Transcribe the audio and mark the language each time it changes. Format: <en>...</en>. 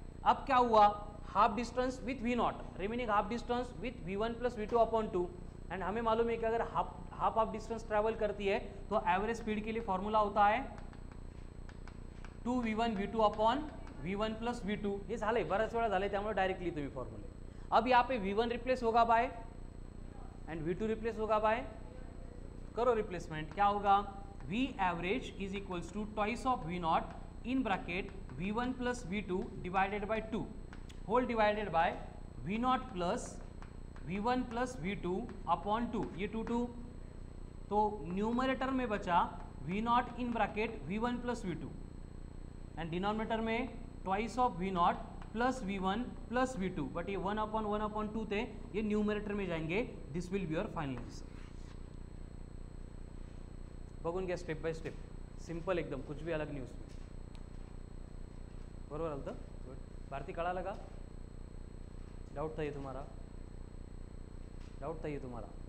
<hi>अब क्या हुआ,</hi> <en>Half distance with v0, remaining half distance with v1 plus v2 upon 2.</en> <hi>And हमें मालूम है कि अगर हाफ हाफ डिस्टेंस ट्रैवल करती है तो एवरेज स्पीड के लिए फॉर्मूला होता है 2 v1 v2 upon v1 plus v2.</hi> <mr>ये झाले बऱ्याच वेळा झाले, त्यामुळे डायरेक्टली तुम्ही फॉर्मुले.</mr> <hi>अब यहाँ पे v1 रिप्लेस होगा बाय एंड v2 रिप्लेस होगा बाय, करो रिप्लेसमेंट. क्या होगा,</hi> <en>v average is equals to twice of v not in bracket v1 plus v2 divided by 2 whole divided by v not plus v1 plus v2 upon 2.</en> <hi>ये 2 2 तो numerator में बचा v not in bracket v1 plus v2 and denominator में twice of v not plus v1 plus v2, but ये 1 upon 2 थे, ये numerator में जाएंगे.</hi> <en>This will be your final answer.</en> <mr>बघून घ्या स्टेप बाय स्टेप, सिंपल एकदम,</mr> <hi>कुछ भी अलग</hi> <mr>न्यूज बरोबर आलं गुड. भारती कळालं का, डाऊट था तुम्हाला, डाऊट था तुम्हाला?</mr>